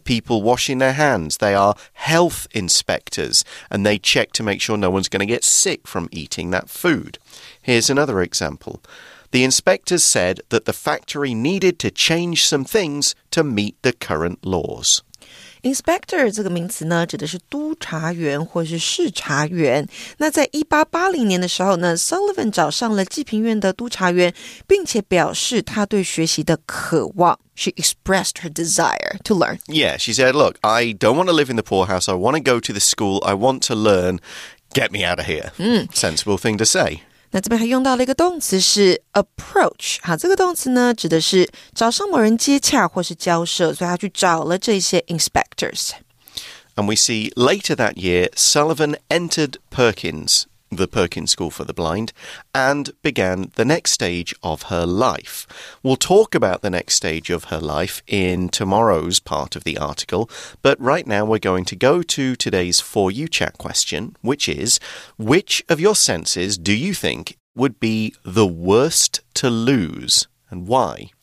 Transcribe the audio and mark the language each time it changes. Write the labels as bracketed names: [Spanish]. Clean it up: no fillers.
[English] Are people washing their hands? They are health inspectors, and they check to make sure no one's going to get sick from eating that food. Here's another example. The inspectors said that the factory needed to change some things to meet the current laws. [Chinese] Inspector 这个名词呢，指的是督察员或是视察员。那在1880年的时候呢 ，Sullivan 找上了济贫院的督察员，并且表示他对学习的渴望。 [English] She expressed her desire to learn. Yeah, she said, "Look, I don't want to live in the poorhouse. I want to go to the school. I want to learn. Get me out of here."、Sensible thing to say. [Chinese] 那这边还用到了一个动词是 approach， 好，这个动词呢指的是找上某人接洽或是交涉，所以他去找了这些 inspectors。 [English] And we see later that year, Sullivan entered Perkins, the Perkins School for the Blind, and began the next stage of her life. We'll talk about the next stage of her life in tomorrow's part of the article, but right now we're going to go to today's For You Chat question, which is, which of your senses do you think would be the worst to lose, and why?